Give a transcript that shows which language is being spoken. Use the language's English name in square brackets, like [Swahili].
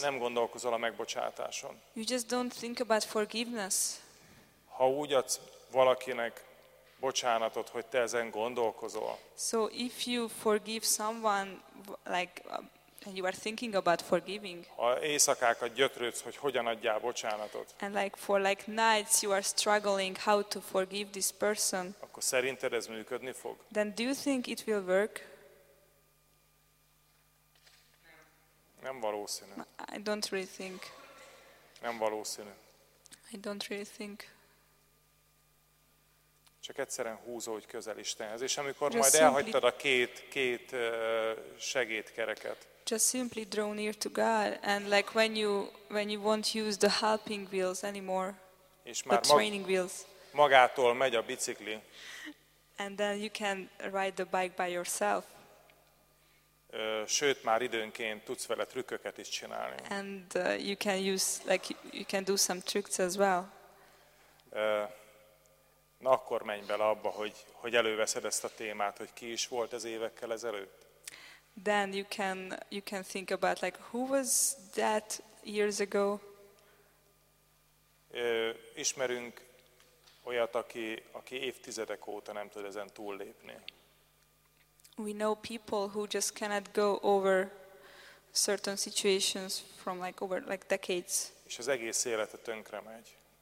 [Hungarian] Nem gondolkozol a megbocsátáson. [English] You just don't think about forgiveness. [Hungarian] Ha úgy adsz valakinek bocsánatot, hogy te ezen gondolkozol. [English] So if you forgive someone like and you are thinking about forgiving. [Hungarian] Ha éjszakákat gyötrődsz, hogy hogyan adjál bocsánatot. [English] And like for like nights you are struggling how to forgive this person. [Hungarian] Akkor szerinted ez működni fog? [English] Then do you think it will work? [Hungarian] Nem valószínű. [English] I don't really think. [Hungarian] Nem valószínű. [English] I don't really think. [Hungarian] Csak egyszerűen húzódj közel Istenhez. És amikor just majd elhagytad a két segédkereket. [English] Just simply draw near to God, and like when you won't use the helping wheels anymore, the training wheels. [Hungarian] Magától megy a bicikli. [English] And then you can ride the bike by yourself. [Hungarian] Sőt, már időnként tudsz vele trükköket is csinálni. [English] And you can use like you can do some tricks as well. [Hungarian] Na akkor menj bele abba, hogy előveszed ezt a témát, hogy ki is volt ez évekkel ezelőtt. [English] Then you can think about like who was that years ago. [Hungarian] Ismerünk olyat, aki évtizedek óta nem tud ezen túllépni. [English] We know people who just cannot go over certain situations from like over like decades. [Hungarian] És az egész élete tönkre megy.